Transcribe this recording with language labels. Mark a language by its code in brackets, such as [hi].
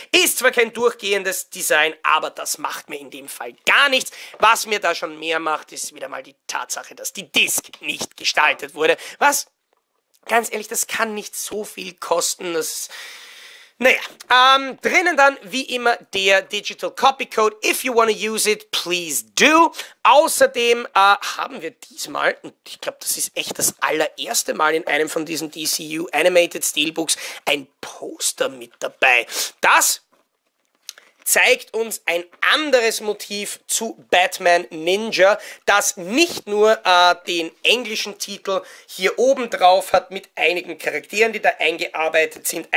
[de] Ist zwar kein durchgehendes Design, aber das macht mir in dem Fall gar nichts. Was mir da schon mehr macht, ist wieder mal die Tatsache, dass die Disc nicht gestaltet wurde. Was, ganz ehrlich, das kann nicht so viel kosten, das... Naja, drinnen dann wie immer der Digital Copy Code. [en] If you want to use it, please do. [de] Außerdem haben wir diesmal, und ich glaube, das ist echt das allererste Mal in einem von diesen DCU Animated Steelbooks, ein Poster mit dabei. Das zeigt uns ein anderes Motiv zu Batman Ninja, das nicht nur den englischen Titel hier oben drauf hat mit einigen Charakteren, die da eingearbeitet sind.